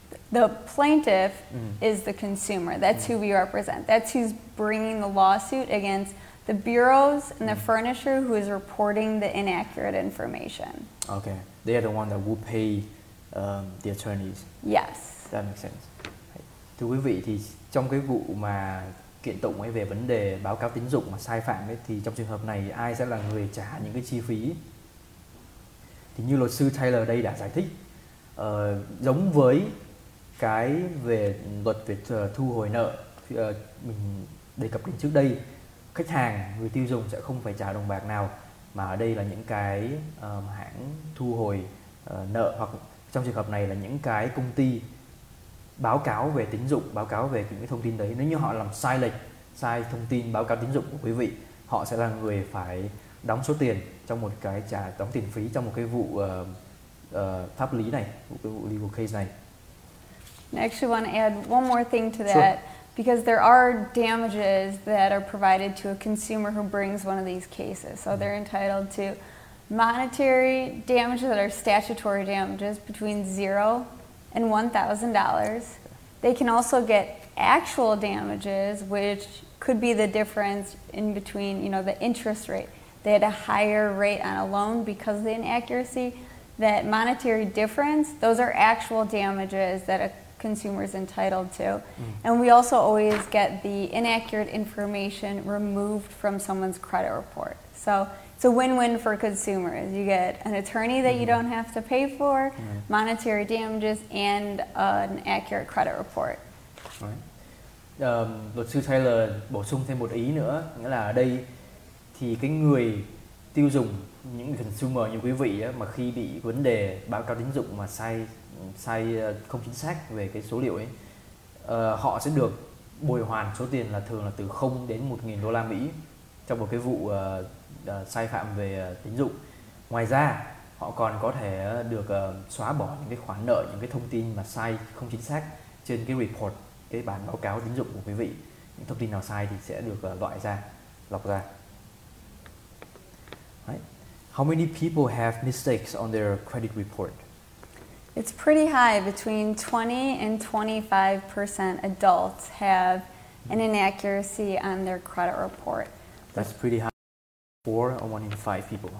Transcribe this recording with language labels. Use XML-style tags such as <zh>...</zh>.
<en>The plaintiff is the consumer. That's who we represent. That's who's bringing the lawsuit against the bureaus and the furnisher who is reporting the inaccurate information. Okay. They are the one that will pay the attorneys. Yes. That makes sense.</en> <vi>Thưa quý vị, thì trong cái vụ mà kiện tụng ấy về vấn đề báo cáo tín dụng mà sai phạm ấy, thì trong trường hợp này ai sẽ là người trả những cái chi phí? Thì như luật sư Taylor đây đã giải thích, giống với cái về luật về thu hồi nợ mình đề cập đến trước đây, khách hàng, người tiêu dùng sẽ không phải trả đồng bạc nào, mà ở đây là những cái hãng thu hồi nợ, hoặc trong trường hợp này là những cái công ty báo cáo về tín dụng, báo cáo về những cái thông tin đấy. Nếu như họ làm sai lệch, sai thông tin báo cáo tín dụng của quý vị, họ sẽ là người phải đóng số tiền trong một cái trả đóng tiền phí trong một cái vụ pháp lý này, vụ</vi> <en>legal case</en> <vi>này.</vi> <en>I actually want to add one more thing to that, sure. Because there are damages that are provided to a consumer who brings one of these cases. So they're entitled to monetary damages that are statutory damages between $0 and $1,000. They can also get actual damages, which could be the difference in between, you know, the interest rate. They had a higher rate on a loan because of the inaccuracy. That monetary difference, those are actual damages that a consumers entitled to. And we also always get the inaccurate information removed from someone's credit report. So it's a win-win for consumers. You get an attorney that you don't have to pay for, monetary damages, and an accurate credit report. Right.</en> <vi>Luật sư Taylor bổ sung thêm một ý nữa, nghĩa là ở đây thì cái người tiêu dùng, những consumer như quý vị á, mà khi bị vấn đề báo cáo tín dụng mà sai không chính xác về cái số liệu ấy, họ sẽ được bồi hoàn số tiền là thường là từ 0 đến 1.000 đô la Mỹ trong một cái vụ sai phạm về tín dụng. Ngoài ra, họ còn có thể được xóa bỏ những cái khoản nợ, những cái thông tin mà sai không chính xác trên cái report, cái bản báo cáo tín dụng của quý vị. Những thông tin nào sai thì sẽ được loại ra, lọc ra.</vi> <en>Right. How many people have mistakes on their credit report? It's pretty high. Between 20 and 25% adults have an inaccuracy on their credit report. That's pretty high. 4 or 1 in 5 people.</en>